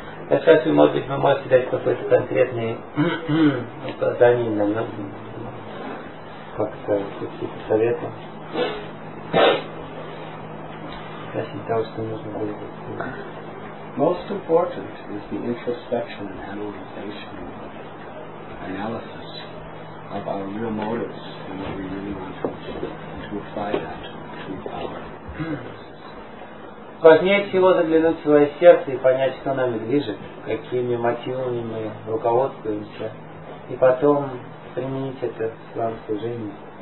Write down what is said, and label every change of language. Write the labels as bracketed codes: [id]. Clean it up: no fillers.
[ru] Я спрашиваю, может быть, вы можете дать какой-то конкретный указание на нём, как-то какие-то советы. Спросить того, что нужно будет. [en] Most important is the introspection and analyzation of analysis of our real motives and what we really want to apply that to power. [ru] Важнее всего заглянуть в свое сердце и понять, что нами движет, какими мотивами мы руководствуемся, и потом применить это в своем служении.